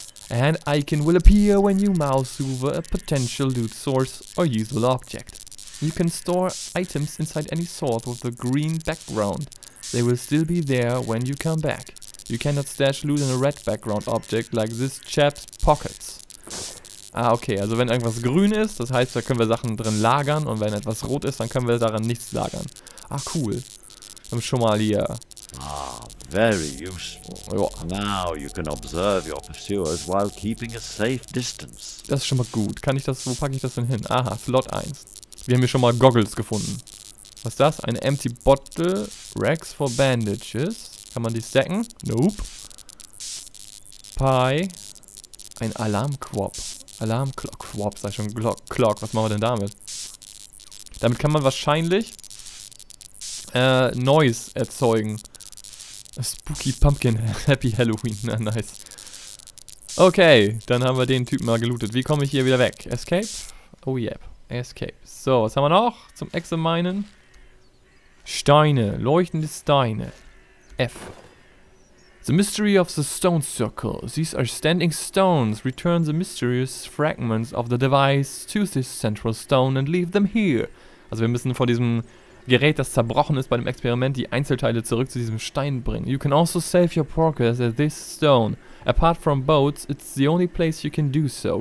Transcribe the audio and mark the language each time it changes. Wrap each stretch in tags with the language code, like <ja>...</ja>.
<en>An icon will appear when you mouse over a potential loot source or useful object. You can store items inside any sort with a green background. They will still be there when you come back. You cannot stash loot in a red background object like this chap's pockets.</en> <de>Ah, okay, also wenn irgendwas grün ist, das heißt, da können wir Sachen drin lagern, und wenn etwas rot ist, dann können wir daran nichts lagern. Ah, cool. Wir haben schon mal hier.</de> <en>Ah, very useful. Ja. Now you can observe your pursuers while keeping a safe distance.</en> <de>Das ist schon mal gut. Kann ich das, wo packe ich das denn hin? Aha, Slot 1. Wir haben hier schon mal Goggles gefunden. Was ist das? Eine empty bottle, racks for bandages. Kann man die stacken? Nope. Pie. Ein Alarm-Quop. Alarm-Clock-Quop, sag ich schon. Glock-Clock, was machen wir denn damit? Damit kann man wahrscheinlich Noise erzeugen.</de> <en>A spooky Pumpkin. Happy Halloween. Na, nice.</en> <de>Okay, dann haben wir den Typen mal gelootet. Wie komme ich hier wieder weg? Escape? Oh, yep. Escape. So, was haben wir noch zum Examinen? Steine. Leuchtende Steine.</de> <en>F. The mystery of the stone circle. These are standing stones. Return the mysterious fragments of the device to this central stone and leave them here.</en> <de>Also wir müssen von diesem Gerät, das zerbrochen ist bei dem Experiment, die Einzelteile zurück zu diesem Stein bringen.</de> <en>You can also save your progress at this stone. Apart from boats, it's the only place you can do so.</en>